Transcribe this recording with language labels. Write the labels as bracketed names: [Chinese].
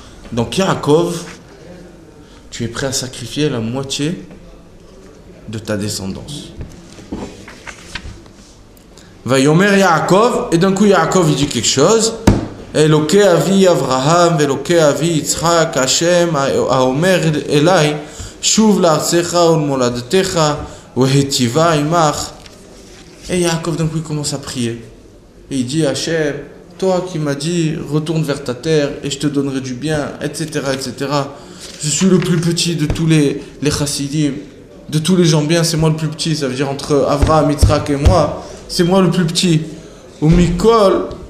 [French] Donc Yaakov, tu es prêt à sacrifier la moitié de ta descendance. [Hebrew] ויאמר יעקב, [French] et d'un coup יעקב il dit quelque chose. [Hebrew] אלוקי אבי אברהם ואלוקי אבי יצחק, השם האומר אליי, שוב לארצך ולמולדתך, והטיבה עמך. [French] Et יעקב d'un coup il commence à prier. Et il dit, השם, toi qui m'as dit, retourne vers ta terre et je te donnerai du bien, etc. etc. Je suis le plus petit de tous les chassidim, de tous les gens bien, c'est moi le plus petit, ça veut dire entre Abraham, Yitzhak et moi. C'est moi le plus petit. Ou Mikol.